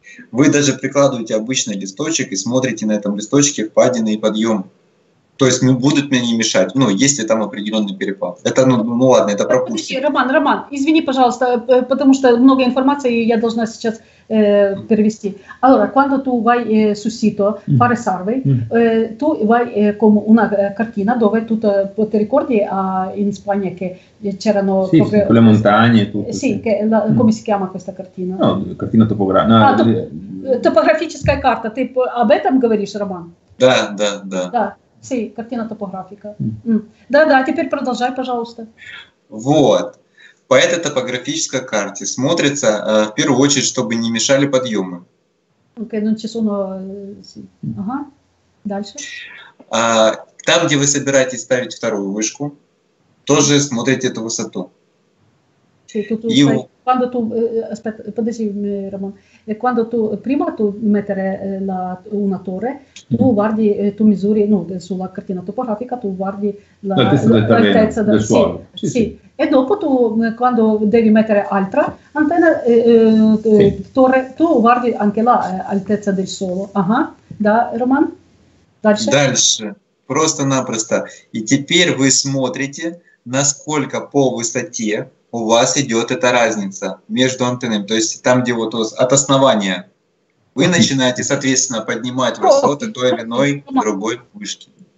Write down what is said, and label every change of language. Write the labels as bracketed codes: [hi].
[ru] Вы даже прикладываете обычный листочек и смотрите на этом листочке впадины и подъем. То есть будут мне не мешать, ну, если там определенный перепад. Это, ладно, это пропустим. Подожди, Роман, извини, пожалуйста, потому что много информации я должна сейчас перевести. [it] Allora, quando tu vai sul sito fare survey, tu vai con una cartina dove tu ti ricordi in Spagna che c'erano sì, proprio... Sì, con le montagne e tutto. Sì, che la, come si chiama questa cartina? No, cartina topografica. Topografica e carta, ti, [ru] об этом говоришь, [it] Роман? [ru] Да, да, да. Да. Sí, картина топографика. Да, да, теперь продолжай, пожалуйста. Вот. По этой топографической карте смотрится в первую очередь, чтобы не мешали подъемы. Окей, ну часу, но... Ага, дальше. Там, где вы собираетесь ставить вторую вышку, тоже смотрите эту высоту. [it] Quando tu, aspetta, podesi, Roman, quando tu, prima tu mettere la, una torre, tu guardi, tu misuri, no, sulla cartina topografica, tu guardi la, l'altezza del suolo. Sì, sì, sì. E dopo tu, quando devi mettere altra antenna, sì, torre, tu guardi anche la altezza del suolo. [ru] Aha, da, Roman? Дальше. Дальше. Просто-напросто. И теперь вы смотрите, насколько по высоте у вас идет эта разница между антеннами, то есть там, где вот от основания вы начинаете, соответственно, поднимать высоты той или иной другой вышки.